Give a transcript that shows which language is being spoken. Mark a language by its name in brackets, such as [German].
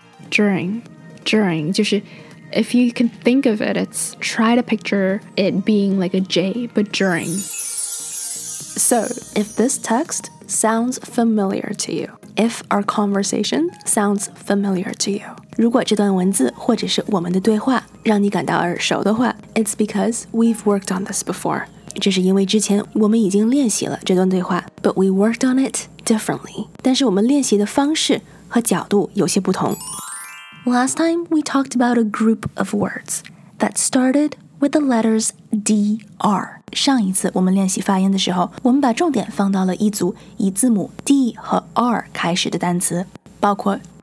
[English] During, [Chinese] 就是 [English] if you can think of it, it's try to picture it being like a J, but during. So, if this text sounds familiar to you, if our conversation sounds familiar to you, [Chinese] 如果这段文字或者是我们的对话让你感到耳熟的话 [English] it's because we've worked on this before. [Chinese] 这是因为之前我们已经练习了这段对话 [English] but we worked on it differently. [Chinese] 但是我们练习的方式和角度有些不同 [English] Last time, we talked about a group of words that started with the letters D-R. [Chinese] 上一次我们练习发音的时候我们把重点放到了一组以字母 D 和 R 开始的单词包括